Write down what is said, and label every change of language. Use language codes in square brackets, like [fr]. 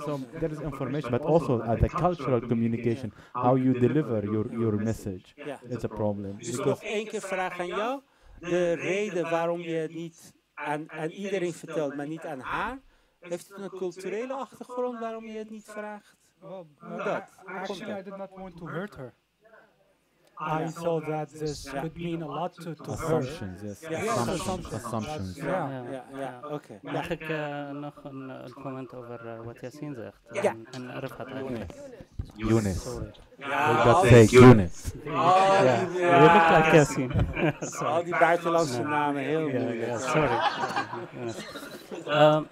[en] So there is information, but also the cultural communication, how you deliver your message, is a problem. [nl] Dus nog één keer vraag aan jou. De reden waarom je het niet aan iedereen vertelt, maar niet aan haar, heeft het een culturele achtergrond waarom je het niet vraagt? [en] Actually, I did not want to hurt her. I saw that this could mean a lot to assumptions, her. Yes. Assumptions. Yeah. Okay. [nl] Mag ik nog een comment over wat Yassine zegt? Ja. En Refat eigenlijk. [en] Yunus. Yeah, that take Yunus. Oh, you look like Cassie. [nl] All die buitenlandse namen, heel moeilijk. [en] Yeah, sorry.